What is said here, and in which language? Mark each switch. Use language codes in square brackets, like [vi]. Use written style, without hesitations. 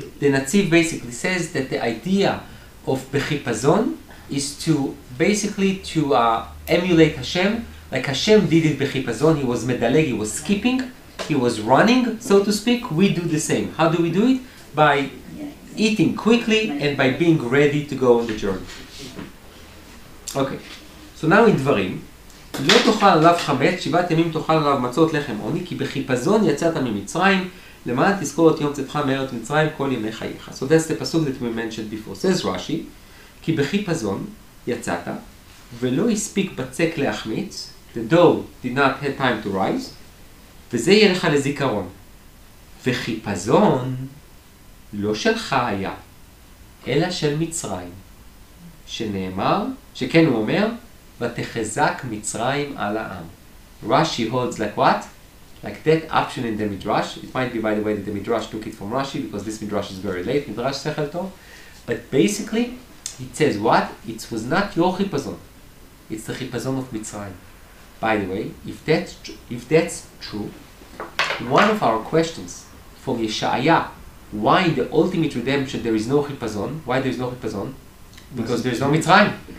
[en] The Natsiv basically says that the idea of Bechipazon is to basically to emulate Hashem, like Hashem did it Bechipazon, he was medaleg, he was skipping, he was running, so to speak. We do the same. How do we do it? By eating quickly and by being ready to go on the journey. Okay, so now in Dvarim, [he] לא תאכל עליו חמץ, שבעת ימים תאכל עליו מצות לחם עוני, כי בחיפזון יצאת ממצרים, למען תזכור את יום צאתך מארץ מצרים כל ימי חייך. [en] So that's the pasuk that we mentioned before. Says Rashi, [he] כי בחיפזון יצאת, ולא הספיק בצק להחמיץ, [en] the dough did not have time to rise, [he] וזה יהיה לך לזיכרון. וחיפזון לא שלך היה, אלא של מצרים, שנאמר, שכן הוא אומר, ותחזק מצרים על העם. [en] Rashi holds like what? Like that option in the Midrash. It might be, by the way, that the Midrash took it from Rashi, because this Midrash is very late, Midrash Sechel Tov. But basically, it says what? It was not your chipazon. It's the chipazon of Mitzrayim. By the way, if that's true, one of our questions from Yeshaya, why the ultimate redemption there is no chipazon? Why there is no chipazon? Because there is no Mitzrayim.